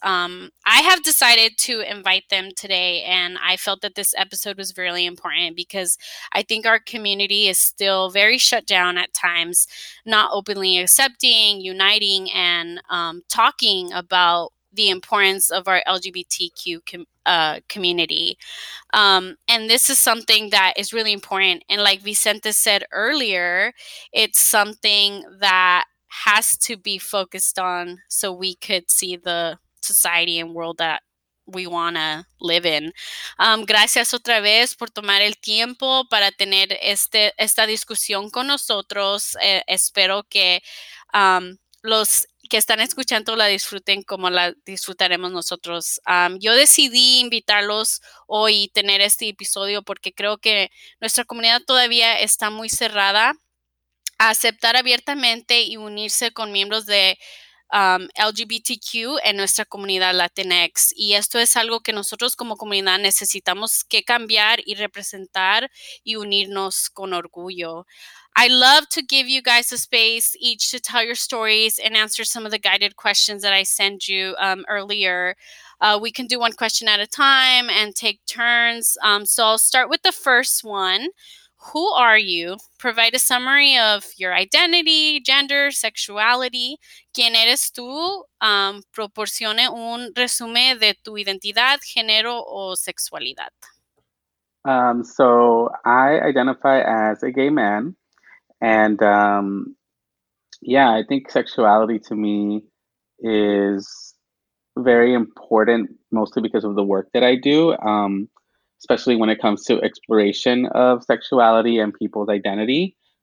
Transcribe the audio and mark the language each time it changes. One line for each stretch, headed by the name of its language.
English: I have decided to invite them today, and I felt that this episode was really important because I think our community is still very shut down at times, not openly accepting, uniting, and talking about the importance of our LGBTQ community. And this is something that is really important. And like Vicente said earlier, it's something that has to be focused on so we could see the society and world that we want to live in.
Spanish: Gracias otra vez por tomar el tiempo para tener esta discusión con nosotros. Espero que los que están escuchando la disfruten como la disfrutaremos nosotros. Yo decidí invitarlos hoy a tener este episodio porque creo que nuestra comunidad todavía está muy cerrada a aceptar abiertamente y unirse con miembros de LGBTQ en nuestra comunidad Latinx. Y esto es algo que nosotros como comunidad necesitamos que cambiar y representar y unirnos con orgullo.
English: I love to give you guys a space each to tell your stories and answer some of the guided questions that I sent you earlier. We can do one question at a time and take turns. So I'll start with the first one. Who are you? Provide a summary of your identity, gender, sexuality.
Spanish: ¿Quién eres tú? Proporcione un resumen de tu identidad, género o sexualidad.
English: So I identify as a gay man. And yeah, I think sexuality to me is very important, mostly because of the work that I do, especially when it comes to exploration of sexuality and people's identity.